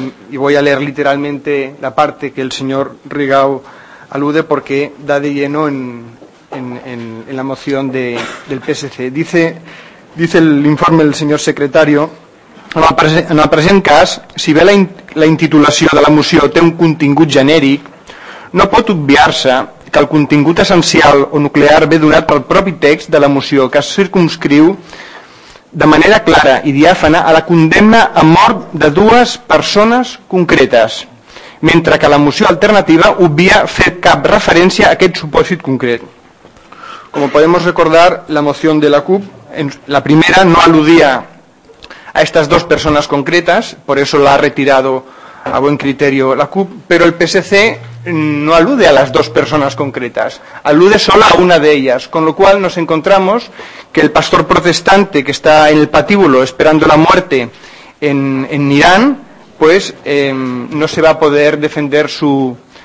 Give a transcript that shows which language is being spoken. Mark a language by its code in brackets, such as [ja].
[es] y voy a leer literalmente la parte que el señor Rigau alude porque da de lleno en la moción del PSC. [ca] Dice el informe del señor secretario, en el present cas, si ve la intitulació de la moció té un contingut genèric, no pot obviar-se que el contingut essencial o nuclear ve donat pel propi text de la moció que es circumscriu de manera clara i diàfana a la condemna a mort de dues persones concretes, mentre que la moció alternativa obvia fer cap referència a aquest supòsit concret. [es] Como podemos recordar, la moció de la CUP, la primera, no aludia a estas dos persones concretes, por eso la ha retirado a buen criterio la CUP, pero el PSC no alude a las dos personas concretas, alude solo a una de ellas, con lo cual nos encontramos que el pastor protestante que está en el patíbulo esperando la muerte en Irán, pues no se va a poder defender su